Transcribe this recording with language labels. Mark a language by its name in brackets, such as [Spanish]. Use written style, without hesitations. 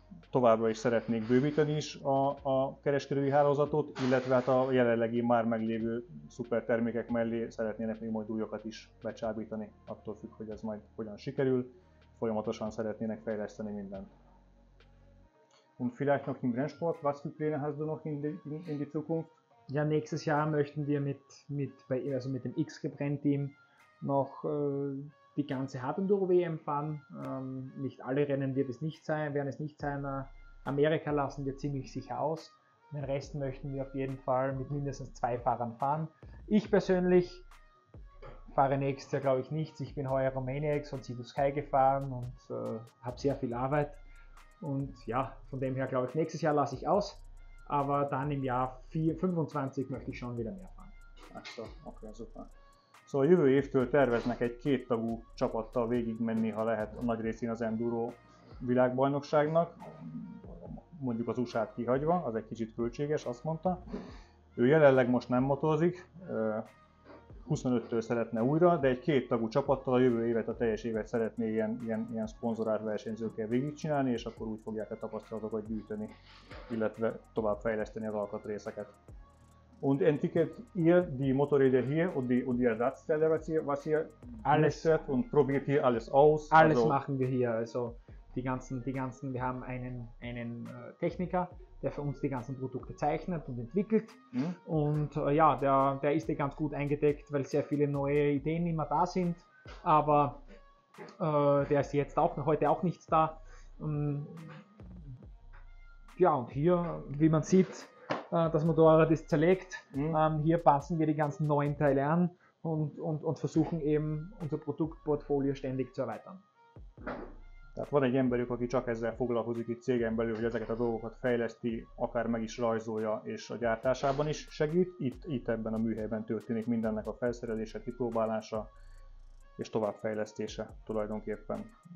[Hungarian] Továbbra is szeretnék bővíteni is a kereskedői hálózatot, illetve hát a jelenlegi már meglévő szuper termékek mellé szeretnének még majd újokat is becsábítani, attól függ, hogy ez majd hogyan sikerül. Folyamatosan szeretnének fejleszteni mindent. [German] Und vielleicht noch im Rennsport, was für Pläne hast du noch in die Zukunft? Ja, nächstes Jahr möchten wir mit dem XGIP Rennteam noch die ganze Hard Enduro WM fahren. Nicht alle Rennen werden es nicht sein. Amerika lassen wir ziemlich sicher aus. Den Rest möchten wir auf jeden Fall mit mindestens zwei Fahrern fahren. Ich persönlich fahre nächstes Jahr, glaube ich, nichts. Ich bin heuer Romaniacs und Sea Sky gefahren und habe sehr viel Arbeit. Und ja, von dem her glaube ich, nächstes Jahr lasse ich aus, aber dann im Jahr 25 möchte ich schon wieder mehr fahren. Ach so, okay, super. [Hungarian] So, a jövő évtől terveznek egy kéttagú csapattal végigmenni, ha lehet, a nagy részén az Enduro világbajnokságnak, mondjuk az USA-t kihagyva, az egy kicsit költséges, azt mondta. Ő jelenleg most nem motorozik, 25-től szeretne újra, de egy kéttagú csapattal a jövő évet, a teljes évet szeretné ilyen szponzorált versenyzőkkel végigcsinálni, és akkor úgy fogják a tapasztalatokat gyűjteni, illetve továbbfejleszteni az alkatrészeket. [German] Und entwickelt ihr die Motorräder hier und die Ersatzteile, was ihr möchtet und probiert hier alles aus? Alles also machen wir hier, also die ganzen, wir haben einen Techniker, der für uns die ganzen Produkte zeichnet und entwickelt. Mhm. Und ja, der ist eh ganz gut eingedeckt, weil sehr viele neue Ideen immer da sind. Aber der ist jetzt auch heute auch nicht da. Ja, und hier, wie man sieht, das Motorrad ist zerlegt. Mhm. Hier passen wir die ganzen neuen Teile an und versuchen eben unser Produktportfolio ständig zu erweitern. [Hungarian] Tehát van egy emberük, aki csak ezzel foglalkozik itt cégen belül, hogy ezeket a dolgokat fejleszti, akár meg is rajzolja, és a gyártásában is segít. Itt ebben a műhelyben történik mindennek a felszerelése, kipróbálása és továbbfejlesztése tulajdonképpen.